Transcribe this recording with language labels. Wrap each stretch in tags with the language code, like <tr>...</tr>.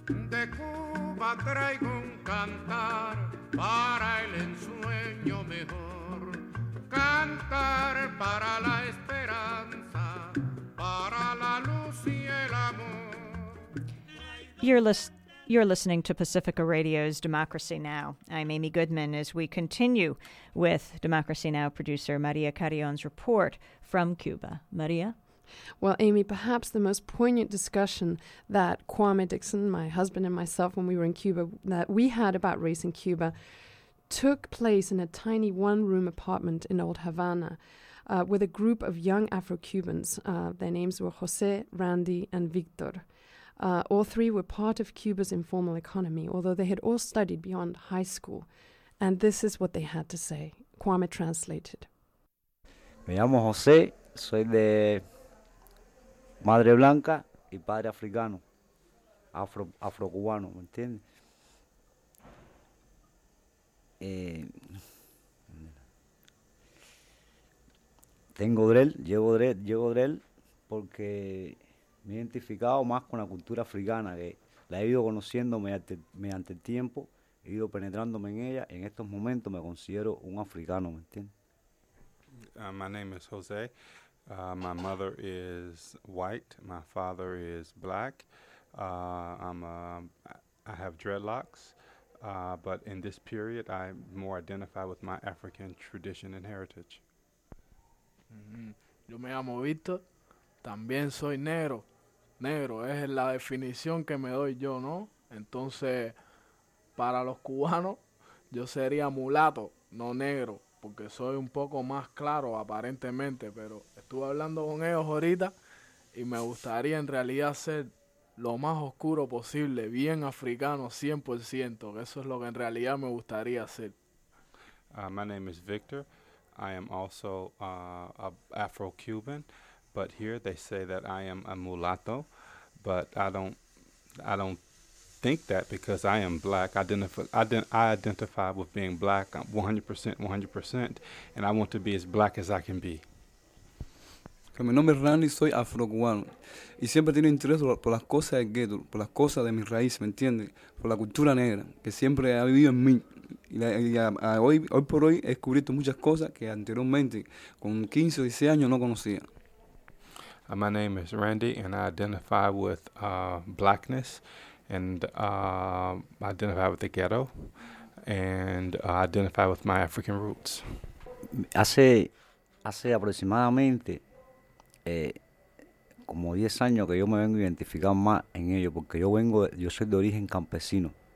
<es>De Cuba traigo un cantar para el ensueño mejor, cantar para la esperanza, para la luz y el amor.</es> <en>You're listening to Pacifica Radio's Democracy Now! I'm Amy Goodman as we continue with Democracy Now! Producer Maria Carrion's report from Cuba. Maria? Well, Amy, perhaps the most poignant discussion that Kwame Dixon, my husband and myself, when we were in Cuba, that we had about race in Cuba took place in a tiny one-room apartment in Old Havana with a group of young Afro-Cubans. Their names were Jose, Randy, and Victor. All three were part of Cuba's informal economy, although they had all studied beyond high school. And this is what they had to say. Kwame translated.</en> <es>Me llamo Jose, soy de madre blanca y padre africano, afro-cubano, ¿me entiendes? Tengo dread, llevo dread porque me he identificado más con la cultura africana, que la he ido conociendo mediante el tiempo, he ido penetrándome en ella, y en estos momentos me considero un africano, ¿me entiendes?</es> <en>My name is Jose. My mother is white. My father is black. I have dreadlocks, but in this period, I more identify with my African tradition and heritage.</en> <es>Mm-hmm. Yo me llamo Víctor. También soy negro. Negro es la definición que me doy yo, ¿no? Entonces, para los cubanos, yo sería mulato, no negro, porque soy un poco más claro aparentemente, pero estuve hablando con ellos ahorita y me gustaría en realidad ser lo más oscuro posible, bien africano 100%, que eso es lo que en realidad me gustaría ser.</es> <en>My name is Victor. I am also a Afro-Cuban, but here they say that I am a mulatto, but I don't think that because I am black. I identify with being black 100%, and I want to be as black as I can be.</en> <es>Mi nombre es Randy, soy afro-cubano y siempre tengo interés por las cosas del ghetto, por las cosas de mis raíces, ¿me entiendes? Por la cultura negra que siempre ha vivido en mí. Y hoy por hoy he descubierto muchas cosas que anteriormente con 15 o 16 años no conocía.</es> <en>My name is Randy and I identify with blackness and I identify with the ghetto and I identify with my African roots.</en> <es>Hace aproximadamente como 10 años que yo me vengo identificando más en ello, porque yo soy de origen campesino.</es>